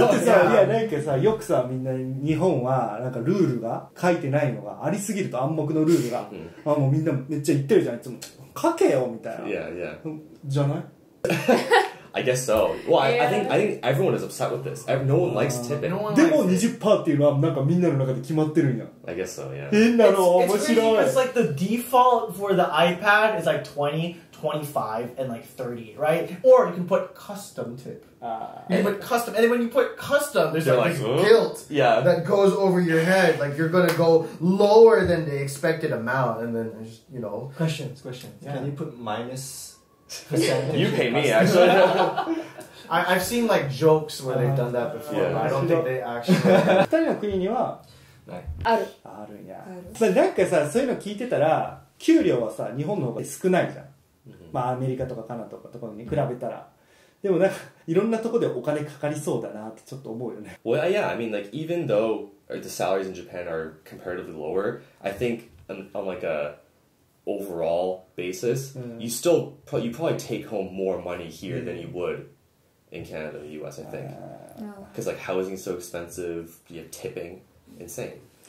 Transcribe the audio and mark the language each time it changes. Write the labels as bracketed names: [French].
[Japanese] だってさ、いや、なんかさ、よくさ、みんな日本はなんかルールが書いてないのがありすぎると暗黙のルールが、あ、もうみんなめっちゃ言ってるじゃん、いつも書けよみたいな。 [English] Yeah, yeah. [Japanese] じゃない？ [English] I guess so. Well, yeah. I think everyone is upset with this. No one likes tipping. No one likes [Japanese] でも 20% っていうのはなんかみんなの中で決まってるんや。 [English] I guess so, yeah. [Japanese] 変なの、面白い。 [English] It's crazy, like the default for the iPad is like 20, 25, and like 30, right? Or you can put custom tip. You put custom, and then when you put custom, there's like this guilt that goes over your head. Like you're gonna go lower than the expected amount, and then there's, you know. Questions. Yeah. Can you put minus? You pay me, actually. I've seen like jokes where they've done that before, but I don't think they actually. [Japanese] 二人の国にはある。あるんや。さ、なんかさ、そういうの聞いてたら、給料はさ、日本の方が少ないじゃん。まあアメリカとかカナダとかとかに比べたら、でもなんかいろんなとこでお金かかりそうだなってちょっと思うよね。 [English] Well, yeah. I mean, like even though the salaries in Japan are comparatively lower, I think on like a overall basis, you still you probably take home more money here than you would in Canada or the U.S. I think, because like housing is so expensive, you have tipping, insane.